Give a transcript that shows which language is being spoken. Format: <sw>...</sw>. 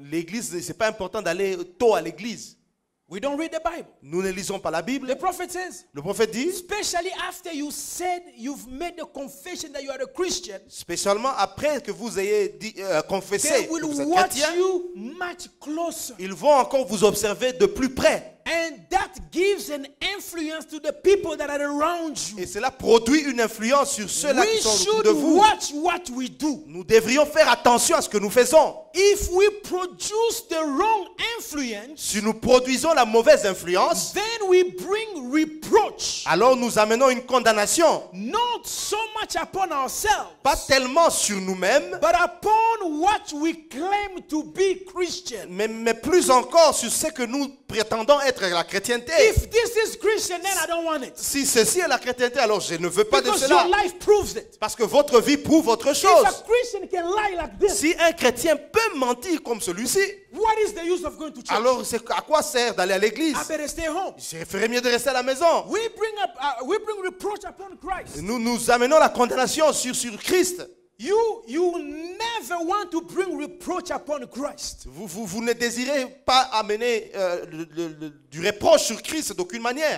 <fr>L'église, ce n'est pas important d'aller tôt à l'église.</fr> <en>We don't read the Bible.</en> <fr>Nous ne lisons pas la Bible.</fr> <en>The prophet says,</en> <fr>le prophète dit,</fr> <en>especially after you said you've made the confession that you are a Christian,</en> <fr>spécialement après que vous ayez dit, confessé</fr> <en>they will</en> <fr>que vous êtes chrétien,</fr> <en>watch you much closer.</en> <fr>Ils vont encore vous observer de plus près.</fr> <en>And that gives an influence to the people that are around you.</en> <fr>Et cela produit une influence sur ceux-là qui sont autour de vous.</fr> <en>We should watch what we do.</en> <fr>Nous devrions faire attention à ce que nous faisons.</fr> <en>If we produce the wrong influence,</en> <fr>si nous produisons la mauvaise influence,</fr> <en>then we bring reproach.</en> <fr>Alors nous amenons une condamnation.</fr> <en>Not so much upon ourselves.</en> <fr>Pas tellement sur nous-mêmes.</fr> <en>But upon what we claim to be Christian.</en> <fr>Mais plus encore sur ce que nous prétendons être la chrétienté.</fr> <en>If this is Christian, then I don't want it.</en> <fr>Si ceci est la chrétienté, alors je ne veux pas</fr> <en>because</en> <fr>de cela.</fr> <en>Your life proves it.</en> <fr>Parce que votre vie prouve autre chose.</fr> <en>If a Christian can lie like this,</en> <fr>si un chrétien peut mentir comme celui-ci,</fr> <en>what is the use of going to church?</en> <fr>Alors c'est à quoi sert d'aller à l'église?</fr> <en>I better stay home.</en> <fr>Je ferais mieux de rester à la maison.</fr> <en>We bring reproach upon Christ.</en> <fr>Nous amenons la condamnation sur Christ.</fr> <en>You never want to bring reproach upon Christ.</en> <fr>Vous ne désirez pas amener du reproche sur Christ d'aucune manière.</fr>